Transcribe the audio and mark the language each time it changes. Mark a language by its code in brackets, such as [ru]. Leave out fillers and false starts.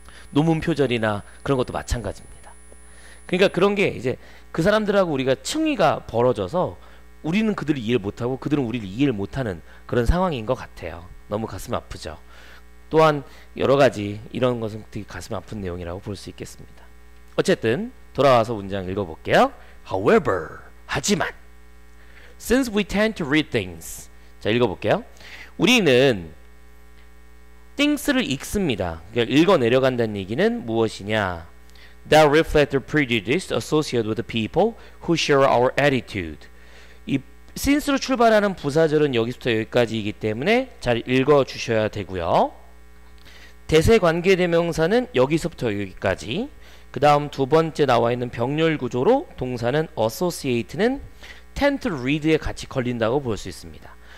[ko] 논문 표절이나 그런 것도 마찬가지입니다. 그러니까 그런 게 이제 그 사람들하고 우리가 층위가 벌어져서 우리는 그들을 이해를 못하고 그들은 우리를 이해를 못하는 그런 상황인 것 같아요. 너무 가슴 아프죠. 또한 여러 가지 이런 것은 되게 가슴 아픈 내용이라고 볼수 있겠습니다. 어쨌든 돌아와서 문장 읽어볼게요. [en] However, [ko] 하지만 [en] since we tend to read things, [ko] 자 읽어볼게요. 우리는 things를 읽습니다. 그러니까 읽어 내려간다는 얘기는 무엇이냐? [en] that reflect the prejudice associated with the people who share our attitude. [ko] 이 since로 출발하는 부사절은 여기서부터 여기까지이기 때문에 잘 읽어 주셔야 되고요. 대세 관계 대명사는 여기서부터 여기까지. 그 다음 두 번째 나와 있는 병렬 구조로 동사는 associate는 tend to read에 같이 걸린다고 볼 수 있습니다.